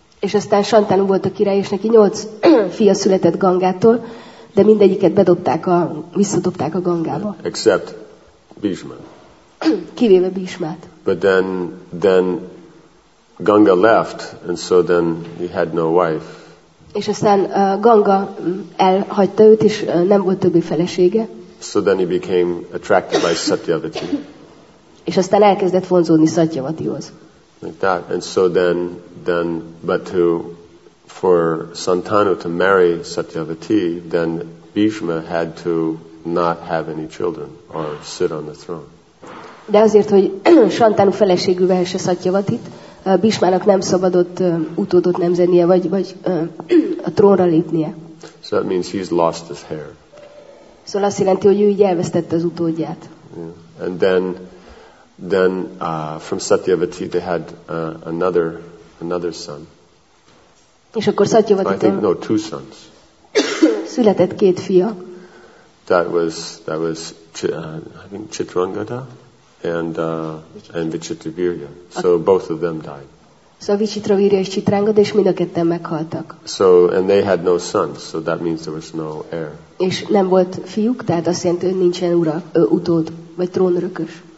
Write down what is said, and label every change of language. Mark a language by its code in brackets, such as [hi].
[hu] És aztán Shantanu volt a király, és neki 8 fia született Gangától, de mindegyiket visszadobták a Gangába. [en] Except Bhishma. [hu] Kivéve Bhishmát. [en] But then Ganga left, and so then he had no wife. [hu] És aztán Ganga elhagyta őt, és nem volt többi felesége. [en] So then he became attracted by Satyavati. [hu] És aztán elkezdett vonzódni Satyavatihoz. [en] Like that. And so then but for Santanu to marry Satyavati, then Bhishma had to not have any children or sit on the throne. [hu] De azért, hogy Santanu feleségül vehesse Satyavatit, Bhishmának nem szabadott utódot nemzenie, vagy a trónra lépnie. [en] So that means he's lost his heir. [hu] Szóval azt jelenti, hogy ő így elvesztette az utódját. [en] Yeah. And then from Satyavati they had another son. [hu] És akkor Satyavatitól [en] two sons. [hu] Született 2 fia. [en] That was I think Chitrangada and Vichitravirya. So both of them died. [hu] So Vichitravirya és Chitrangada is mind a ketten meghaltak. [en] So and they had no sons, so that means there was no heir. [hu] És nem volt fiúk, tehát azt jelenti, hogy nincsen utód vagy trónörökös.